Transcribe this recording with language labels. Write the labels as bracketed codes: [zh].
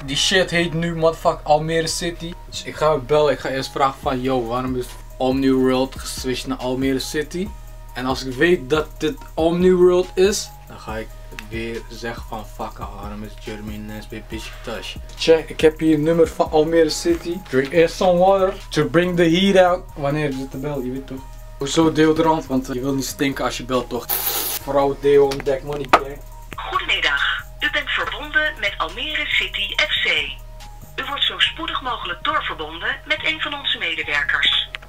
[nl] Die shit heet nu, motherfuck, Almere City. Dus ik ga bellen, ik ga eerst vragen van, yo, waarom is Omniworld geswitcht naar Almere City? En als ik weet dat dit Omniworld is, dan ga ik weer zeggen van, fuck, waarom is German Lens bij Besiktas? Check, ik heb hier een nummer van Almere City. [en] Drink some water to bring the heat out. [nl] Wanneer is het te bellen, je weet toch? Hoezo deodorant, want je wil niet stinken als je belt toch? Vrouw Deo ontdekt, [en] money gang. [nl] Goedemiddag, u bent verbonden met Almere City FC. U wordt zo spoedig mogelijk doorverbonden met een van onze medewerkers.